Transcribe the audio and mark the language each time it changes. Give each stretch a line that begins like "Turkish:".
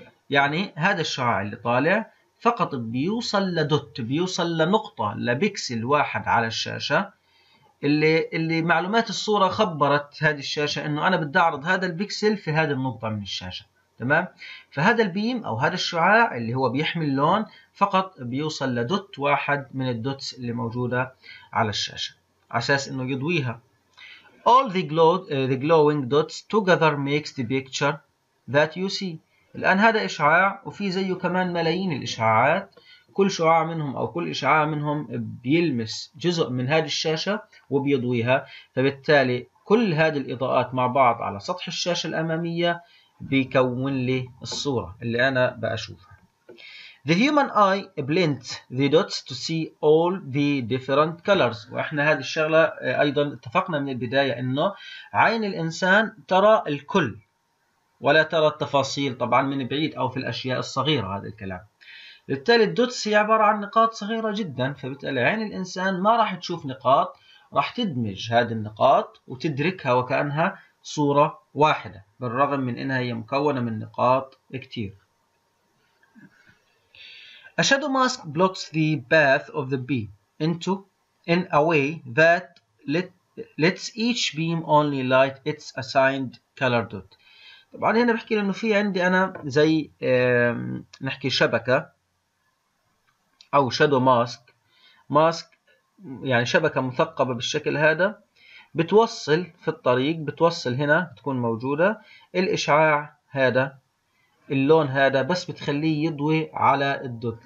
Arabic: يعني هذا الشعاع اللي طالع فقط بيوصل لدوت، بيوصل لنقطة، لبكسل واحد على الشاشة، اللي معلومات الصورة خبرت هذه الشاشة انه انا بدي اعرض هذا البكسل في هذه النقطة من الشاشة، تمام؟ فهذا البيم او هذا الشعاع اللي هو بيحمل لون فقط بيوصل لدوت واحد من الدوتس اللي موجودة على الشاشة على اساس انه يضويها.
English: All the glowing dots together makes the picture that you see.
Arabic: الآن هذا إشعاع وفي زيه كمان ملايين الإشعاعات، كل شعاع منهم أو كل إشعاع منهم بيلمس جزء من هذه الشاشة وبيضويها، فبالتالي كل هذه الإضاءات مع بعض على سطح الشاشة الأمامية بيكون لي الصورة اللي أنا بأشوفها.
English: The human eye blends the dots to see all the different colors.
Arabic: وإحنا هذه الشغلة أيضا اتفقنا من البداية إنه عين الإنسان ترى الكل ولا ترى التفاصيل، طبعا من بعيد او في الاشياء الصغيره هذا الكلام. بالتالي الدوتس هي عباره عن نقاط صغيره جدا، فبالتالي عين الانسان ما راح تشوف نقاط، راح تدمج هذه النقاط وتدركها وكانها صوره واحده بالرغم من انها هي مكونه من نقاط كتير.
English: A shadow mask blocks the path of the beam into in a way that lets each beam only light its assigned color dot.
Arabic: طبعا هنا بحكي لانه في عندي انا زي نحكي شبكه او شادو ماسك، ماسك يعني شبكه مثقبه بالشكل هذا، بتوصل في الطريق، بتوصل هنا بتكون موجوده الاشعاع هذا اللون هذا بس بتخليه يضوي على الدوت.